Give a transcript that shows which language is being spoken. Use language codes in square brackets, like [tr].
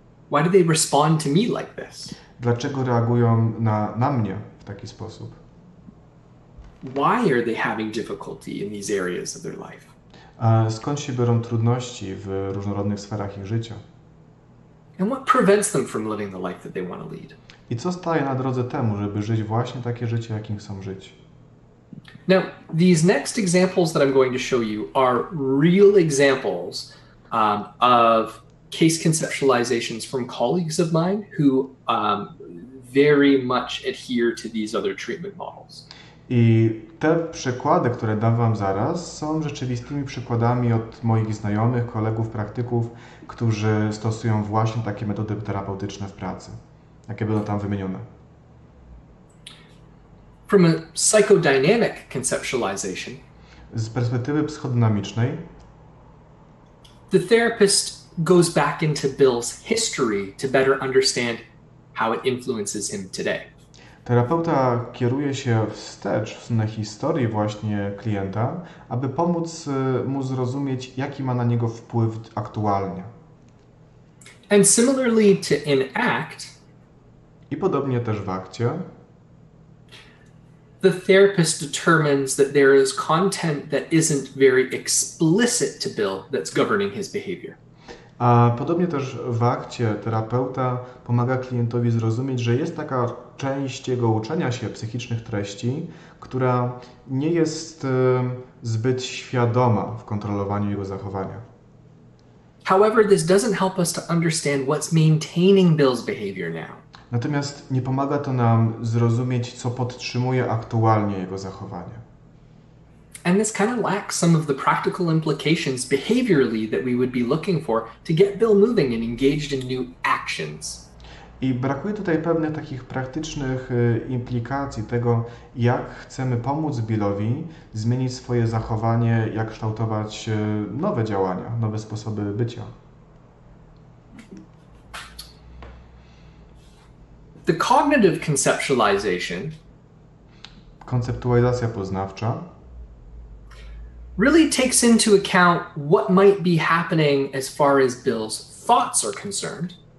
[en] Why do they respond to me like this? [pl] Dlaczego reagują na mnie? W taki sposób. [en] Why are they having difficulty in these areas of their life? [pl] Skąd się biorą trudności w różnorodnych sferach ich życia? [en] And what prevents them from living the life that they want to lead? [pl] I co staje na drodze temu, żeby żyć właśnie takie życie, jakim chcą żyć? [en] Now, these next examples that I'm going to show you are real examples of case conceptualizations from colleagues of mine who very much adhere to these other treatment models. [pl] I te przykłady, które dam wam zaraz, są rzeczywistymi przykładami od moich znajomych, kolegów, praktyków, którzy stosują właśnie takie metody terapeutyczne w pracy, jakie będą tam wymienione. [en] From a psychodynamic conceptualization, [pl] z perspektywy psychodynamicznej, [en] the therapist goes back into Bill's history to better understand how it influences him today. [pl] Terapeuta kieruje się wstecz w stronę historii właśnie klienta, aby pomóc mu zrozumieć, jaki ma na niego wpływ aktualnie. [en] And similarly to in ACT, [pl] I podobnie też w akcie. [en] The therapist determines that there is content that isn't very explicit to Bill that's governing his behavior. [pl] A podobnie też w akcie terapeuta pomaga klientowi zrozumieć, że jest taka część jego uczenia się psychicznych treści, która nie jest zbyt świadoma w kontrolowaniu jego zachowania. [en] However, this doesn't help us to understand what's maintaining Bill's behavior now. [pl] Natomiast nie pomaga to nam zrozumieć, co podtrzymuje aktualnie jego zachowanie. [en] And this kind of lacks some of the practical implications behaviorally that we would be looking for to get Bill moving and engaged in new actions. [pl] I brakuje tutaj pewnych takich praktycznych implikacji tego, jak chcemy pomóc Billowi zmienić swoje zachowanie, jak kształtować nowe działania, nowe sposoby bycia. [en] The cognitive conceptualization. [pl] Konceptualizacja poznawcza. [en] Really takes into account what might be happening as far as Bill's thoughts are concerned.